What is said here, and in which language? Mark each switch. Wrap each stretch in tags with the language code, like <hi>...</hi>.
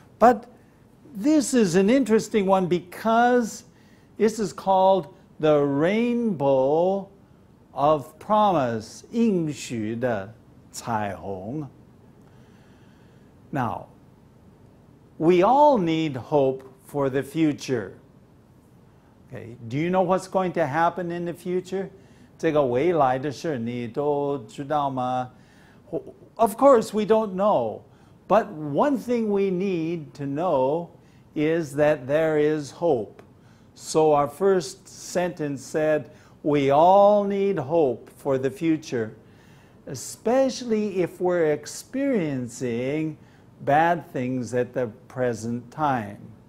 <en>But this is an interesting one because this is called the rainbow of promise,</en> <zh>应许的彩虹.</zh> <en>Now, we all need hope for the future. Okay. Do you know what's going to happen in the future?</en> <zh>这个未来的事你都知道吗?</zh> <en>Of course, we don't know. But one thing we need to know is that there is hope. So our first sentence said, we all need hope for the future, especially if we're experiencing bad things at the present time.</en>